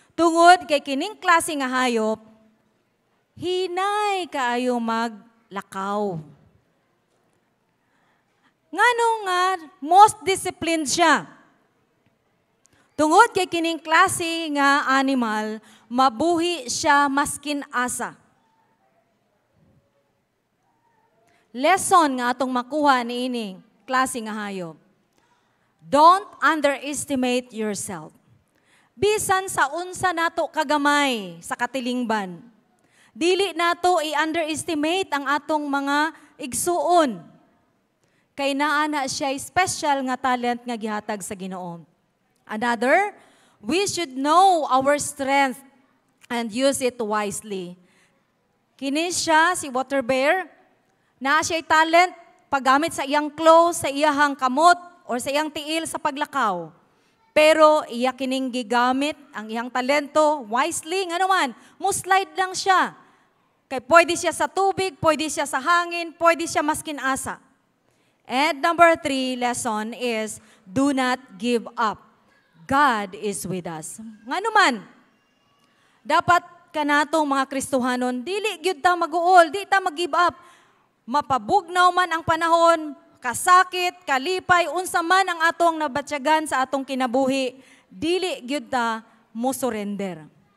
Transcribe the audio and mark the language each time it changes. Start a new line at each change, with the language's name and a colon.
Cebuano: Tungod kay kining klase nga hayop, hinay kaayo maglakaw. Nganong nga,
English: most disciplined
Cebuano: siya. Tungod kay kining klase nga animal, mabuhi siya maskin asa. Lesson nga atong makuha ni ining klase nga hayop.
English: Don't underestimate yourself.
Cebuano: Bisan sa unsa nato kagamay sa katilingban, dili nato i-underestimate ang atong mga igsuon. Kay naa na siya special nga talent nga gihatag sa Ginoo.
English: Another, we should know our strength and use it wisely.
Cebuano: Kini siya, si water bear, na siya'y talent paggamit sa iyang claws, sa iyang kamot, or sa iyang tiil sa paglakaw. Pero iya kining gigamit ang iyang talento wisely. Nga naman, muslide lang siya. Kay pwede siya sa tubig, pwede siya sa hangin, pwede siya maskin asa.
English: And number 3 lesson is, do not give up. God is with us.
Cebuano: Nga naman, dapat kanatong mga Kristuhanon, dili gyud ta mag-uol, di ta mag-give up. Mapabugnaw man ang panahon, kasakit, kalipay, unsa man ang atong nabatyagan sa atong kinabuhi, dili gyud ta mo surrender.